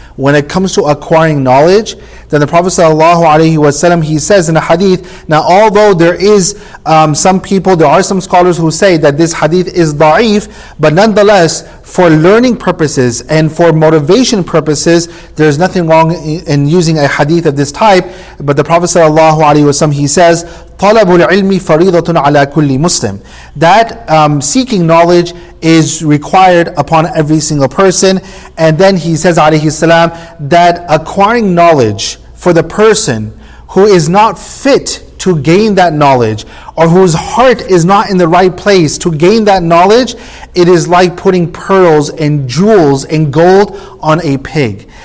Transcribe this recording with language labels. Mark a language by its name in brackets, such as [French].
[English] when it comes to acquiring knowledge, then the Prophet sallallahu alayhi wa sallam, he says in a hadith, now although there is some scholars who say that this hadith is da'if, but nonetheless, for learning purposes and for motivation purposes, there's nothing wrong in using a hadith of this type. But the Prophet sallallahu alayhi wa sallam, he says, [Arabic] طلب العلم فريضة على كل مسلم. [English] That seeking knowledge is required upon every single person. And then he says, عليه السلام, that acquiring knowledge for the person who is not fit to gain that knowledge, or whose heart is not in the right place to gain that knowledge, it is like putting pearls and jewels and gold on a pig.